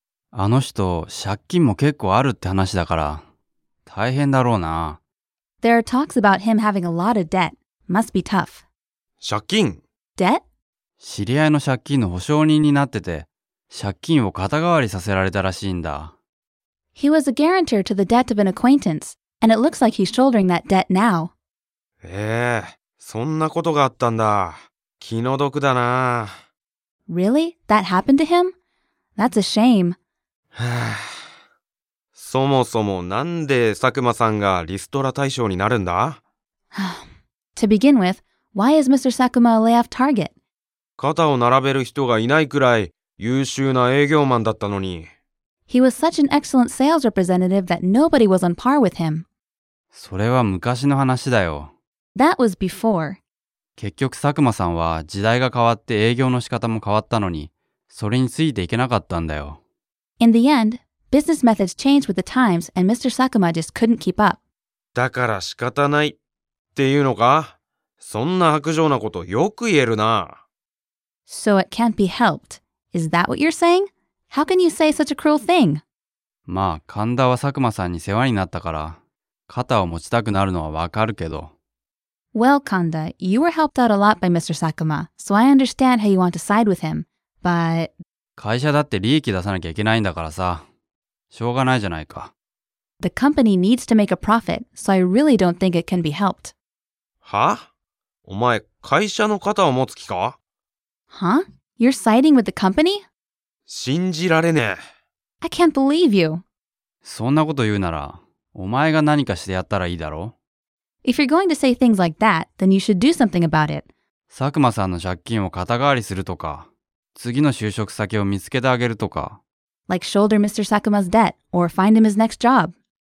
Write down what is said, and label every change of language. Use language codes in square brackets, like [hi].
[ja] あの人、借金も結構あるって話だから大変だろうな。 [en] There are talks about him having a lot of debt. Must be tough. [ja] 借金？ [en] Debt? [ja] 知り合いの借金の保証人になってて、借金を肩代わりさせられたらしいんだ。 [en] He was a guarantor to the debt of an acquaintance, and it looks like he's shouldering that debt now. [ja] そんなことがあったんだ。気の毒だな。 [en] Really? That happened to him? That's a shame. [ja] そもそもなんで佐久間さんがリストラ対象になるんだ？ [en] To begin with, why is Mr. Sakuma a layoff target? [ja] 肩を並べる人がいないくらい優秀な営業マンだったのに。 [en] He was such an excellent sales representative that nobody was on par with him. [ja] それは昔の話だよ。 [en] That was before. [ja] 結局佐久間さんは時代が変わって営業の仕方も変わったのに、それについていけなかったんだよ。 [en] In the end, business methods changed with the times and Mr. Sakuma just couldn't keep up. [ja] だから仕方ないっていうのか？そんな薄情なことよく言えるな。 [en] So it can't be helped. Is that what you're saying? How can you say such a cruel thing? [ja] まあ、神田は佐久間さんに世話になったから、肩を持ちたくなるのはわかるけど。 [en] Well, Kanda, you were helped out a lot by Mr. Sakuma, so I understand how you want to side with him, but… [ja] 会社だって利益出さなきゃいけないんだからさ。しょうがないじゃないか。 [en] The company needs to make a profit, so I really don't think it can be helped. [ja] は? お前、会社の肩を持つ気か? [en] Huh? You're siding with the company? [ja] 信じられねえ。 [en] I can't believe you. [ja] そんなこと言うなら、お前が何かしてやったらいいだろ? [en] If you're going to say things like that, then you should do something about it. [ja] 佐久間さんの借金を肩代わりするとか、次の就職先を見つけてあげるとか。 [en] Like shoulder Mr. Sakuma's debt, or find him his next job.